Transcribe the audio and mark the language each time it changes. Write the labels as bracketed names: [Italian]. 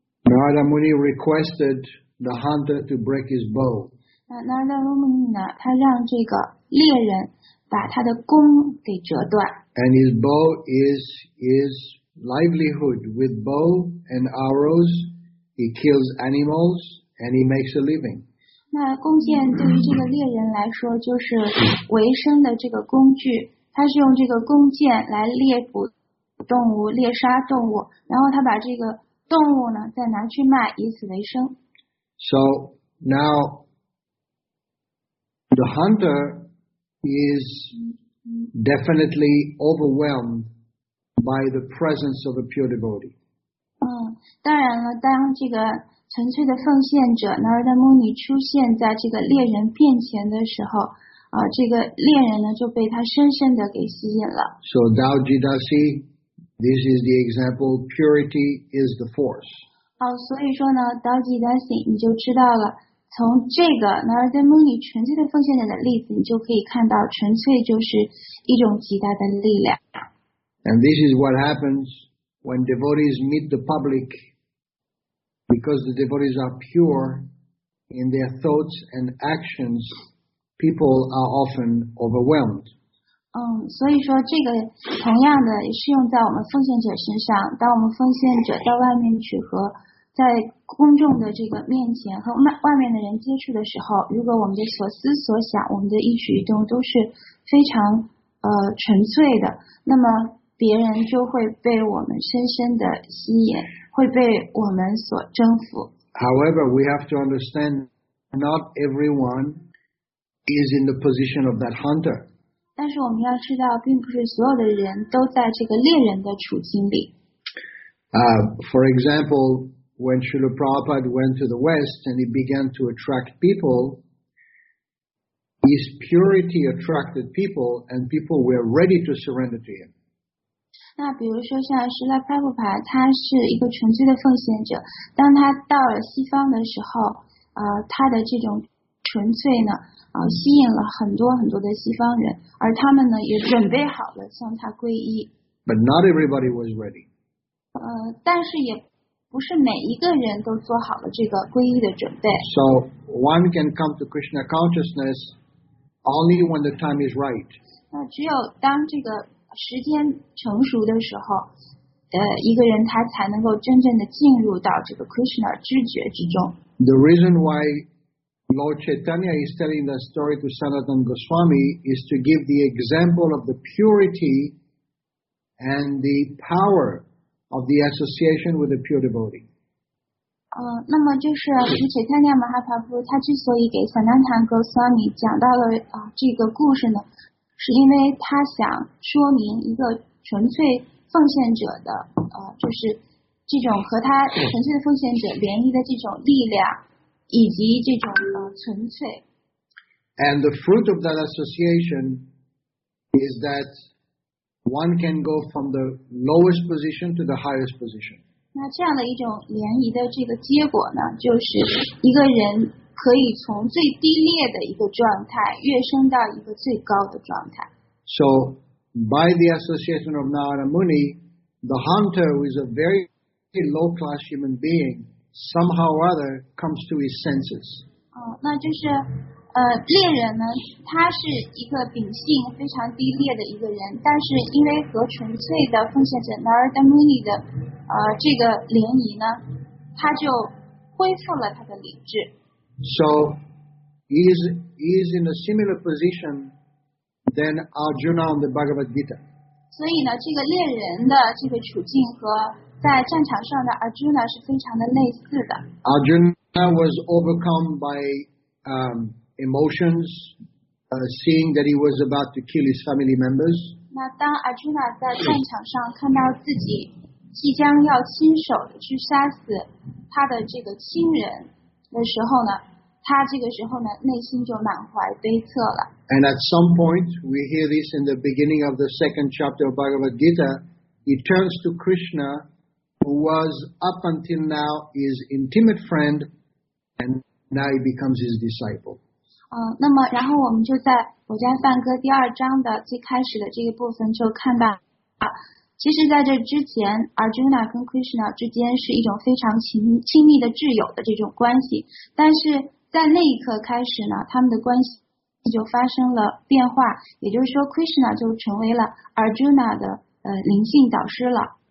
[English] Narada Muni requested the hunter to break his bow. [Chinese] Narada Muni 呢，他让这个猎人把他的弓给折断。 [English] And his bow is livelihood. With bow and arrows, he kills animals and he makes a living. [Chinese] 那弓箭对于这个猎人来说就是维生的这个工具，他是用这个弓箭来猎捕动物，猎杀动物，然后他把这个动物呢再拿去卖以此为生。 [English] So now the hunter is definitely overwhelmed by the presence of a pure devotee. [Chinese] 当然了，当这个纯粹的奉献者 Narada Muni 出现在这个猎人面前的时候，这个猎人呢就被他深深的给吸引了。 [English] So Dao Jidasi, this is the example, purity is the force. [Chinese] 所以说呢 Dao Jidasi, 你就知道了，从这个 Narada Muni 纯粹的奉献者的例子，你就可以看到纯粹就是一种极大的力量。 [English] And this is what happens when devotees meet the public, because the devotees are pure in their thoughts and actions, people are often overwhelmed. [Chinese] 所以说这个同样的也适用在我们奉献者身上，当我们奉献者到外面去和在公众的这个面前和外面的人接触的时候，如果我们的所思所想，我们的一举一动都是非常纯粹的，那么别人就会被我们深深的吸引，会被我们所征服。 [English] However, we have to understand not everyone is in the position of that hunter. [Chinese] 但是我们要知道并不是所有的人都在这个猎人的处境里。 [English] For example,when Srila Prabhupada went to the West and he began to attract people, his purity attracted people and people were ready to surrender to him. [Chinese] 那比如说像 Srila Prabhupada, 他是一个纯粹的奉献者，当他到了西方的时候，他的这种纯粹呢，吸引了很多很多的西方人，而他们呢也准备好了向他皈依。 [English] But not everybody was ready. [Chinese] 但是也不是每一个人都做好了这个皈依的准备。 [English] So one can come to Krishna consciousness only when the time is right. [Chinese] 那只有当这个时间成熟的时候，一个人他才能够真正的进入到这个 Krishna 知觉之中。 [English] The reason why Lord Chaitanya is telling that story to Sanatan Goswami is to give the example of the purity and the powerof the association with a pure devotee. [Chinese] 那么就是慈悲天亮马哈帕布，他之所以给萨南坦格斯瓦米讲到了这个故事呢，是因为他想说明一个纯粹奉献者的就是这种和他纯粹奉献者联谊的这种力量，以及这种纯粹。 [English] And the fruit of that association is that. One can go from the lowest position to the highest position. [Chinese] 那这样的一种联谊的这个结果呢，就是一个人可以从最低劣的一个状态跃升到一个最高的状态。 [English] So, by the association of Narada Muni, the hunter who is a very low class human being, somehow or other comes to his senses. [Chinese] 那就是猎人呢，他是一个秉性非常低劣的一个人，但是因为和纯粹的奉献者 Narada Muni 的这个联谊呢，他就恢复了他的理智。 [English] So he is in a similar position than Arjuna on the Bhagavad Gita. [Chinese] 所以呢，这个猎人的这个处境和在战场上的 Arjuna 是非常的类似的。 [English] Arjuna was overcome by emotions, seeing that he was about to kill his family members. [Chinese] 那当 Arjuna 在战场上看到自己即将要亲手的去杀死他的这个亲人的时候呢，他这个时候呢内心就满怀悲恻了。 [English] And at some point, we hear this in the beginning of the second chapter of Bhagavad Gita, he turns to Krishna, who was up until now his intimate friend, and now he becomes his disciple. [Chinese] 那么然后我们就在《我家梵歌》第二章的最开始的这个部分就看到其实在这之前 Arjuna 跟 Krishna 之间是一种非常亲密的挚友的这种关系，但是在那一刻开始呢，他们的关系就发生了变化，也就是说 Krishna 就成为了 Arjuna 的灵性导师了。